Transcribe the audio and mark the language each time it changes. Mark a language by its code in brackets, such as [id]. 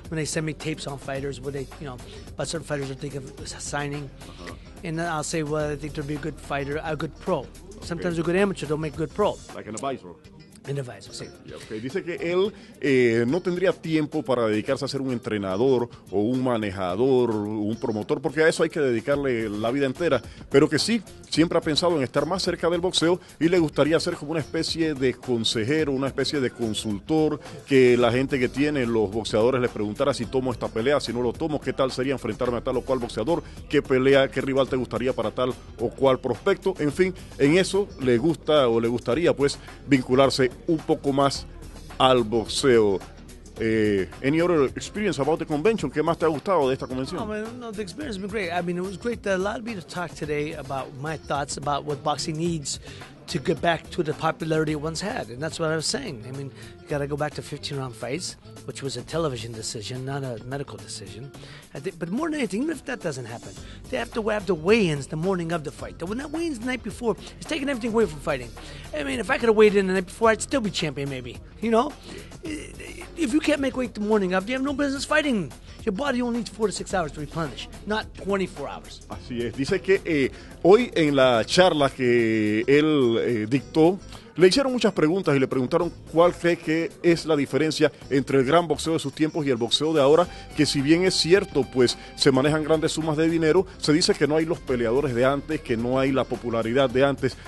[en] when they send me tapes on fighters, what they, you know, about certain fighters are thinking of signing, uh-huh. and then I'll say, well, I think they'll be a good fighter, a good pro. Okay. Sometimes a good amateur don't make a good pro. Like an advisor. Okay. [es] Dice que él no tendría tiempo para dedicarse a ser un entrenador o un manejador, un promotor, porque a eso hay que dedicarle la vida entera, pero que sí, siempre ha pensado en estar más cerca del boxeo y le gustaría ser como una especie de consejero, una especie de consultor, que la gente que tiene, los boxeadores, le preguntara si tomo esta pelea, si no lo tomo, qué tal sería enfrentarme a tal o cual boxeador, qué pelea, qué rival te gustaría para tal o cual prospecto. En fin, en eso le gusta o le gustaría pues vincularse un poco más al boxeo. [en] Any other experience about the convention? [es] ¿Qué más te ha gustado de esta convención? [en] No, the experience has been great. I mean, it was great that allowed me to talk today about my thoughts about what boxing needs to get back to the popularity it once had. And that's what I was saying. I mean, you got to go back to 15-round fights, which was a television decision, not a medical decision. But more than anything, even if that doesn't happen, they have to have the weigh-ins the morning of the fight. When that weigh-ins the night before, it's taking everything away from fighting. I mean, if I could have weighed in the night before, I'd still be champion, maybe. You know? If you can't make weight the morning of, you have no business fighting. Your body only needs 4 to 6 hours to replenish, not 24 hours. [es] Así es. Dice que hoy en la charla que él dictó, le hicieron muchas preguntas y le preguntaron cuál cree que es la diferencia entre el gran boxeo de sus tiempos y el boxeo de ahora, que si bien es cierto, pues se manejan grandes sumas de dinero, se dice que no hay los peleadores de antes, que no hay la popularidad de antes.